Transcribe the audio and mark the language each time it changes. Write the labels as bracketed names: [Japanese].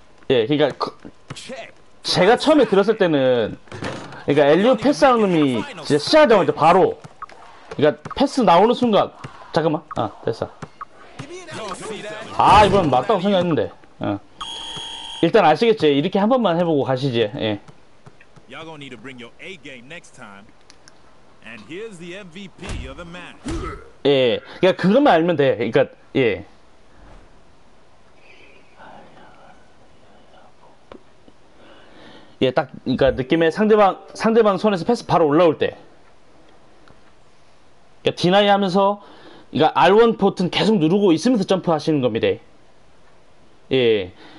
[Korean] 예, 그러니까 제가 처음에 들었을 때는 그러니까 엘리오 패스하는 놈이 진짜 시작할 때 바로 그러니까 패스 나오는 순간 잠깐만, 아 됐어. 아 이번 맞다고 생각했는데, 어. 일단 아시겠지? 이렇게 한 번만 해보고 가시지, 예. [English] Y'all gonna need to bring your A game next time. And here's the MVP of the match. [Korean] 예, 그러니까 그것만 알면 돼. 그러니까 예. 예, 딱 그러니까 느낌에 상대방 손에서 패스 바로 올라올 때. 그러니까 디나이 하면서 그러니까 R1 버튼 계속 누르고 있으면서 점프 하시는 겁니다. 예.